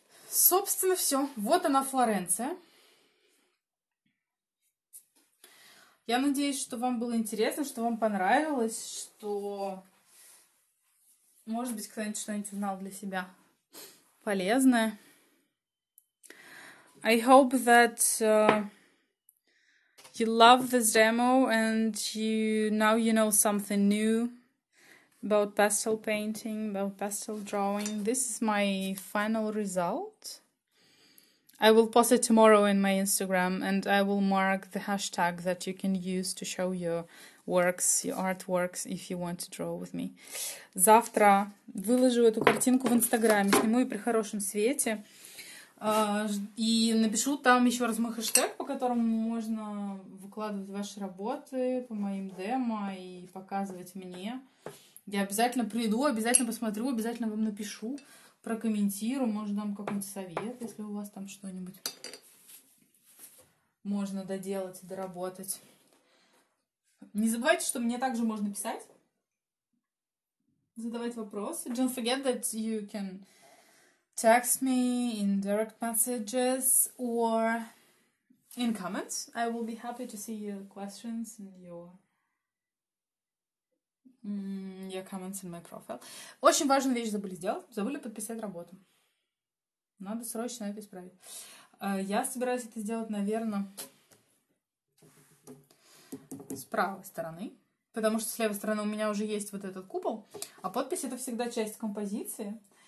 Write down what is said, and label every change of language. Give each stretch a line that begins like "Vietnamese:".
Russian: Собственно, все. Вот она, Флоренция. Я надеюсь, что вам было интересно, что вам понравилось, что, может быть, кто-нибудь что-нибудь узнал для себя полезное.
English: I hope that you love this demo and you know something new about pastel painting, about pastel drawing. This is my final result. I will post it tomorrow in my Instagram and I will mark the hashtag that you can use to show your works, your artworks, if you want to draw with me.
Russian: Завтра выложу эту картинку в Инстаграме, сниму ее при хорошем свете. И напишу там еще раз мой хэштег, по которому можно выкладывать ваши работы по моим демо и показывать мне. Я обязательно приду, обязательно посмотрю, обязательно вам напишу. Прокомментирую, может, дам какой-нибудь совет, если у вас там что-нибудь можно доделать и доработать. Не забывайте, что мне также можно писать, задавать вопросы.
English: Don't forget that you can text me in direct messages or in comments. I will be happy to see your questions and your comments in my profile.
Russian: Очень важную вещь забыли сделать. Забыли подписать работу. Надо срочно это исправить. Я собираюсь это сделать, наверное, с правой стороны. Потому что с левой стороны у меня уже есть вот этот купол. А подпись — это всегда часть композиции.